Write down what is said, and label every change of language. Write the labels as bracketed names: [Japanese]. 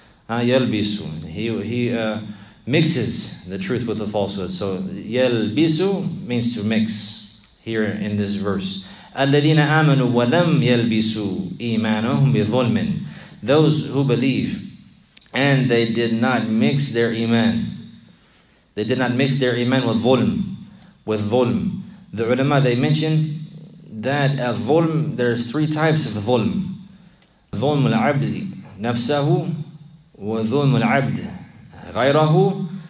[English] يلبس, he mixes the truth with the falsehood. So يلبس means to mix here in this verse. [Arabic] الذين آمنوا ولم يلبسوا إيمانهم بظلم. [English] Those who believe and they did not mix their iman. They did not mix their iman with zulm. With zulm. The ulama, they mention that a zulm, there's three types of zulm. [Arabic] Zulm al-abd nafsahu, wa zulm al-abd ghayrahu.